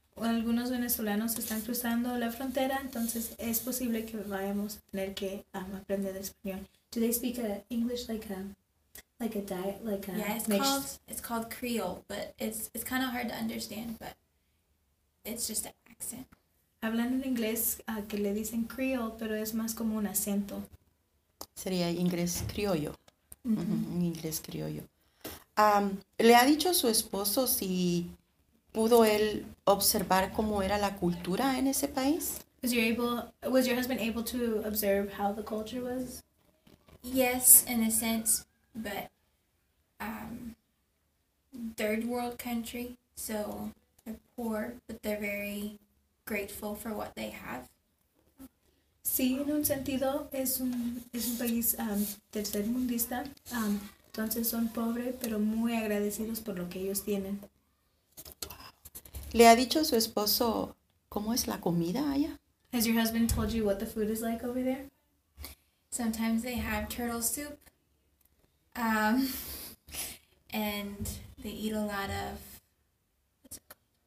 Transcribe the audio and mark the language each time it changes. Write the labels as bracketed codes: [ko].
[es] Algunos venezolanos están cruzando la frontera, entonces es posible que vayamos a tener que aprender español. [en] Do they speak English like a diet, like a yeah, it's mixed? Called it's called Creole, but it's kind of hard to understand, but it's just an accent. [es] Hablan en inglés que le dicen Creole, pero es más como un acento. Sería inglés criollo. Un inglés criollo. ¿Le ha dicho su esposo si pudo él observar cómo era la cultura en ese país? [en] Was your husband able to observe how the culture was? Yes, in a sense, but third world country, so they're poor, but they're very grateful for what they have. [es] Sí, en un sentido, es un país tercer mundista, entonces son pobres, pero muy agradecidos por lo que ellos tienen. ¿Le ha dicho su esposo cómo es la comida allá? [en] Has your husband told you what the food is like over there? Sometimes they have turtle soup, and they eat a lot of, what's it called?